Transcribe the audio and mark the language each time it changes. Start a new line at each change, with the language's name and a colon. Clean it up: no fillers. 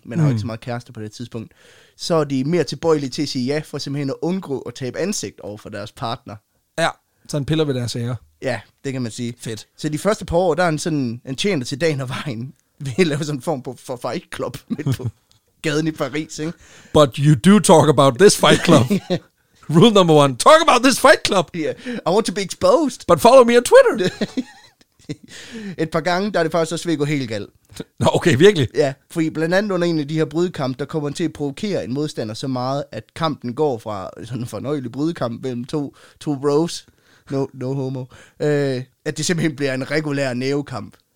Danish: Men har ikke så meget kæreste på det tidspunkt. Så er de mere tilbøjelige til at sige ja, for simpelthen at undgå at tabe ansigt over for deres partner. Ja, så han piller ved deres ære. Ja, det kan man sige. Fedt. Så de første par år, der er han sådan en tjener til dagen og vejen, ved at lave sådan en form for fight club midt på gaden i Paris, ikke?
English: But you do talk about this fight club. Rule number one, talk about this fight club. Yeah, I want to be exposed. But follow me on Twitter.
Danish: Et par gange, der er det faktisk også ved at gå helt galt. Nå, okay, virkelig? Ja, for blandt andet under en af de her brydekampe, der kommer han til at provokere en modstander så meget, at kampen går fra sådan en fornøjelig brydekamp mellem to bros,
English: no homo,
Danish: at det simpelthen bliver en regulær nævekamp.